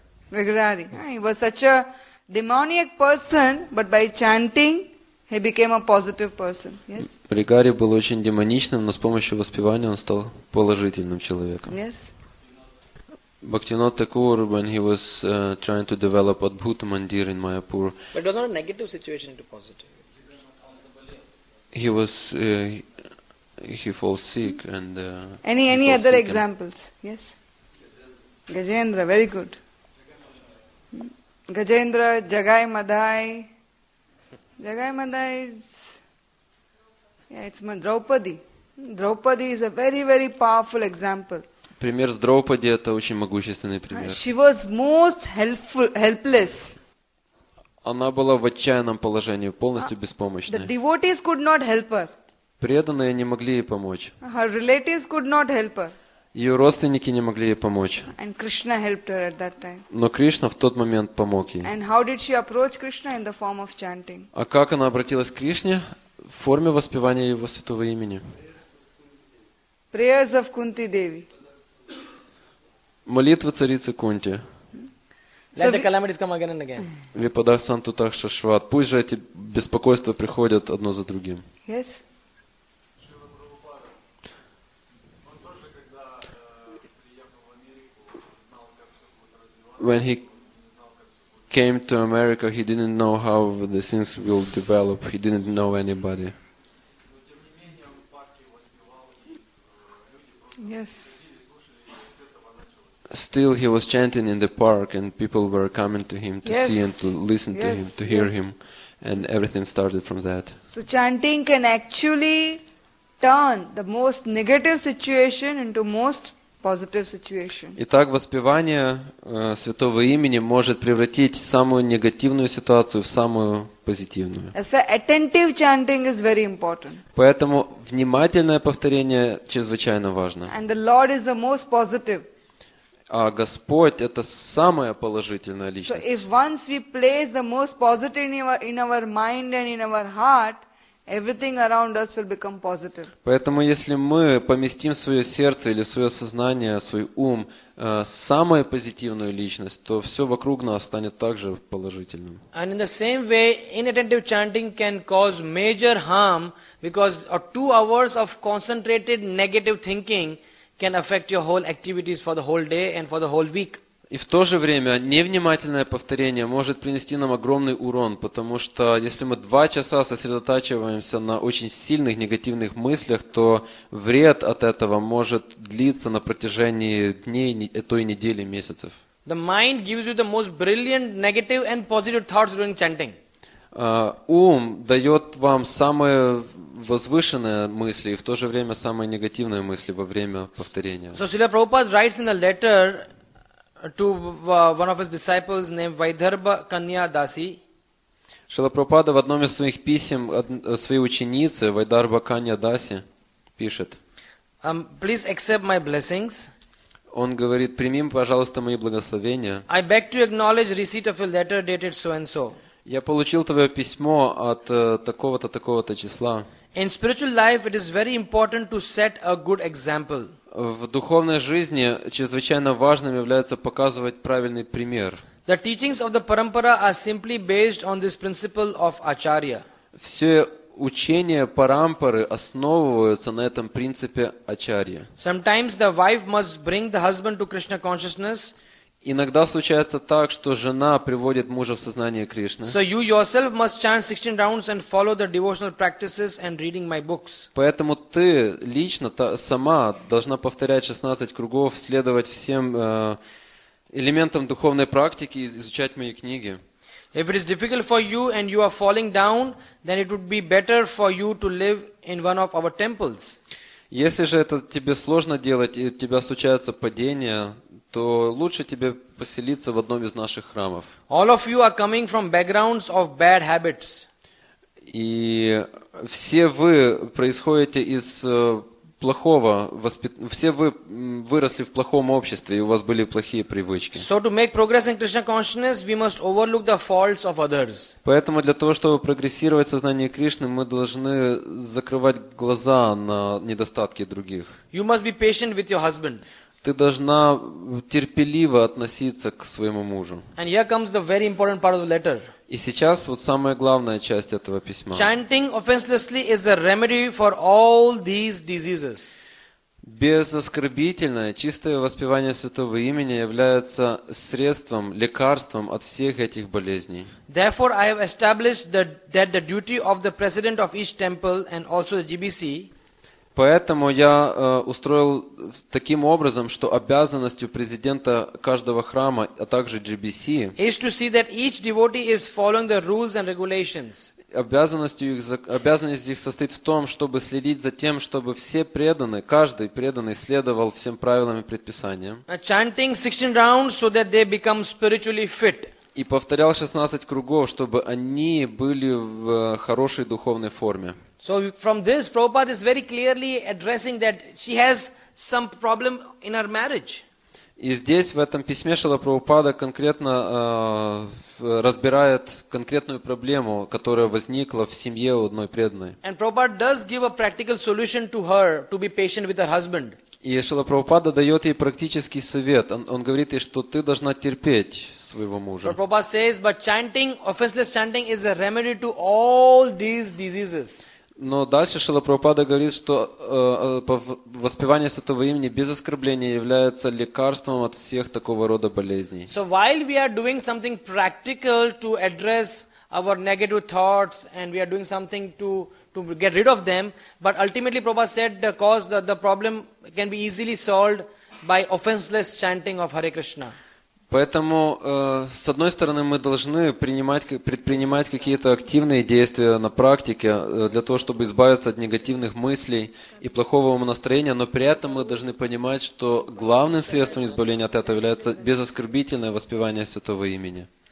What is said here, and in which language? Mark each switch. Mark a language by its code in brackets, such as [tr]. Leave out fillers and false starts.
[en] Mrigarari. He was such a demoniac person, but by chanting, he became a positive person, yes? [ru] Mrigari был очень демоничным, но с помощью воспевания он стал положительным человеком. [en] Yes. Bhaktivinoda Thakur, when he was trying to develop Adbhut Mandir in Mayapur. But it was not a negative situation into positive. He was he falls sick and any other examples? Yes. Gajendra, very good. Gajendra, Jagai Madhai is it's Draupadi. Draupadi is a very, very powerful example. [ru] Пример с Драупади это очень могущественный пример. [en] She was most helpless. [ru] Она была в отчаянном положении, полностью беспомощной. [en] The devotees could not help her. [ru] Преданные не могли ей помочь. [en] Her relatives could not help her. [ru] Ее родственники не могли ей помочь. [en] And Krishna helped her at that time. [ru] Но Кришна в тот момент помог ей. [en] And how did she approach Krishna in the form of chanting? [ru] А как она обратилась к Кришне в форме воспевания его святого имени? [en] Prayers of Kunti Devi. [ru] Молитва царицы Кунти. [en] Let the calamities come again and again. [sa] Випада санту такшашват. [ru] Пусть же эти беспокойства приходят одно за другим. [en] Yes. When he came to America, he didn't know how the things will develop. He didn't know anybody. Yes. Still, he was chanting in the park, and people were coming to him to see and to listen to him, to hear him, and everything started from that. So, chanting can actually turn the most negative situation into most positive situation. [ru] Итак, воспевание святого имени может превратить самую негативную ситуацию в самую позитивную. [en] So, attentive chanting is very important. [ru] Поэтому внимательное повторение чрезвычайно важно. [en] And the Lord is the most positive. [ru] А Господь это самая положительная личность. [en] So if once we place the most positive in our mind and in our heart, everything around us will become positive. [ru] Поэтому если мы поместим в свое сердце или свое сознание, свой ум самую позитивную личность, то все вокруг нас станет также положительным. [en] And in the same way, inattentive chanting can cause major harm because 2 hours of concentrated negative thinking can affect your whole activities for the whole day and for the whole week. [ru] И в то же время невнимательное повторение может принести нам огромный урон, потому что если мы 2 часа сосредотачиваемся на очень сильных негативных мыслях, то вред от этого может длиться на протяжении дней, а то и недели, месяцев. [en] The mind gives you the most brilliant negative and positive thoughts during chanting. [ru] Ум дает вам самые возвышенные мысли и в то же время самые негативные мысли во время повторения. [en] So Srila Prabhupada writes in a letter to one of his disciples named Vaidharbha Kanya Dasi. [ru] Srila Prabhupada в одном из своих писем своей ученице Vaidharbha Kanya Dasi пишет. [en] Please accept my blessings. [ru] Он говорит: «Прими, пожалуйста, мои благословения». [en] I beg to acknowledge receipt of a letter dated so and so. [ru] Я получил твое письмо от такого-то, такого-то числа. [en] In spiritual life, it is very important to set a good example. [ru] В духовной жизни чрезвычайно важным является показывать правильный пример. [en] The teachings of the parampara are simply based on this principle of acharya. [ru] Все учения парампары основываются на этом принципе ачарья. [en] Sometimes the wife must bring the husband to Krishna consciousness. [ru] Иногда случается так, что жена приводит мужа в сознание Кришны. [en] So you yourself must chant 16 rounds and follow the devotional practices and reading my books. [ru] Поэтому ты лично сама должна повторять 16 кругов, следовать всем элементом духовной практики изучать мои книги. [en] If it is difficult for you and you are falling down, then it would be better for you to live in one of our temples. [ru] Если же это тебе сложно делать и у тебя случаются падения, то лучше тебе поселиться в одном из наших храмов. [en] All of you are coming from backgrounds of bad habits. [ru] И все вы происходите из плохого воспитания, все вы выросли в плохом обществе, и у вас были плохие привычки. [en] So to make progress in Krishna consciousness, we must overlook the faults of others. [ru] Поэтому для того, чтобы прогрессировать в сознании Кришны, мы должны закрывать глаза на недостатки других. [en] You must be patient with your husband. [ru] Ты должна терпеливо относиться к своему мужу. [en] And here comes the very important part of the letter. [ru] И сейчас вот самая главная часть этого письма. [en] Chanting offenselessly is the remedy for all these diseases. [ru] Безоскорбительное, чистое воспевание святого имени является средством, лекарством от всех этих болезней. [en] Therefore, I have established that the duty of the president of each temple and also the GBC. [ru] Поэтому я устроил таким образом, что обязанностью президента каждого храма, а также GBC, [en] is to see that each devotee is following the rules and regulations. [ru] Обязанность их состоит в том, чтобы следить за тем, чтобы все преданные, каждый преданный следовал всем правилам и предписаниям. [en] Chanting 16 rounds so that they become spiritually fit. [ru] И повторял 16 кругов, чтобы они были в хорошей духовной форме. [en] So from this, Prabhupada is very clearly addressing that she has some problem in her marriage. [ru] И здесь в этом письме Шрила Прабхупада конкретно разбирает конкретную проблему, которая возникла в семье у одной преданной. [en] And Prabhupada does give a practical solution to her to be patient with her husband. [ru] И Шрила Прабхупада дает ей практический совет. Он говорит ей, что ты должна терпеть своего мужа. [en] But Prabhupada says, but chanting, offenseless chanting, is a remedy to all these diseases. [ru] Но дальше Шрила Прабхупада говорит, что воспевание святого имени без оскорбления является лекарством от всех такого рода болезней. [en] So while we are doing something practical to address our negative thoughts and we are doing something to get rid of them, but ultimately Prabhupada said the cause, the problem can be easily solved by offenseless chanting of Hare Krishna. [ru] Поэтому, с одной стороны, мы должны предпринимать какие-то активные действия на практике для того, чтобы избавиться от негативных мыслей и плохого настроения, но при этом мы должны понимать, что главным средством избавления от этого является безоскорбительное воспевание святого имени.